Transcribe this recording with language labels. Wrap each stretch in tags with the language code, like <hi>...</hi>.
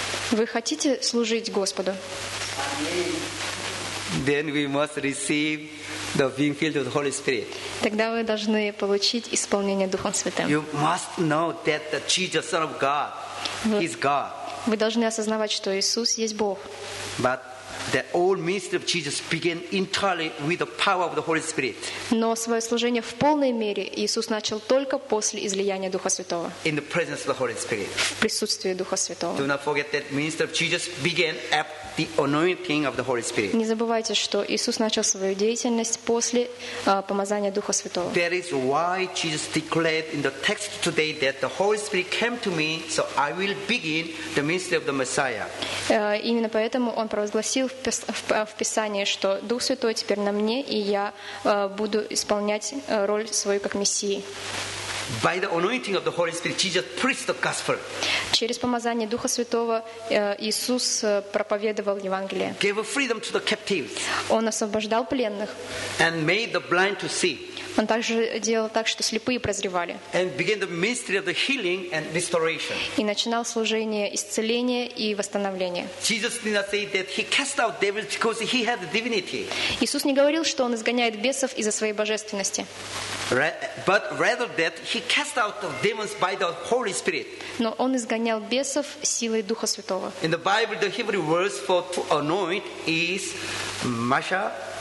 <ru>Вы хотите служить Господу?</ru> <en>Then we must receive the being filled with the Holy Spirit.</en> <ru>Тогда вы должны получить исполнение Духом Святым.</ru> <en>You must know that the Jesus, Son of God, is God.</en> <ru>Вы должны осознавать, что Иисус есть Бог.</ru> <en>But the old ministry of Jesus began entirely with the power of the Holy Spirit.</en> <ru>Но свое служение в полной мере Иисус начал только после излияния Духа Святого.</ru> <en>In the presence of the Holy Spirit.</en> <ru>В присутствии Духа Святого.</ru> <en>Do not forget that ministry of Jesus began after the anointing of the Holy Spirit.</en> <ru>Не забывайте, что Иисус начал свою деятельность после помазания Духа Святого.</ru> <en>That is why Jesus declared in the text today that the Holy Spirit came to me, so I will begin the ministry of the Messiah.</en> <ru>Именно поэтому он провозгласил в Писании, что Дух Святой теперь на мне, и я буду исполнять роль свою как Мессии.</ru> <en>By the anointing of the Holy Spirit, Jesus preached the gospel.</en> <ru>Через помазание Духа Святого Иисус проповедовал Евангелие.</ru> <en>Gave freedom to the captives.</en> <ru>Он освобождал пленных.</ru> <en>And made the blind to see.</en> <ru>Он также делал так, что слепые прозревали.</ru> <en>And began the ministry of the healing and restoration.</en> <ru>И начинал служение исцеления и восстановления.</ru> <en>Jesus did not say that he cast out devils because he had divinity.</en> <ru>Иисус не говорил, что он изгоняет бесов из-за своей божественности.</ru> <en>But rather that he cast out the demons by the Holy Spirit.</en> <ru>Но он изгонял бесов силой Духа Святого.</ru> <en>In the Bible, the Hebrew word for to anoint is masha.</en>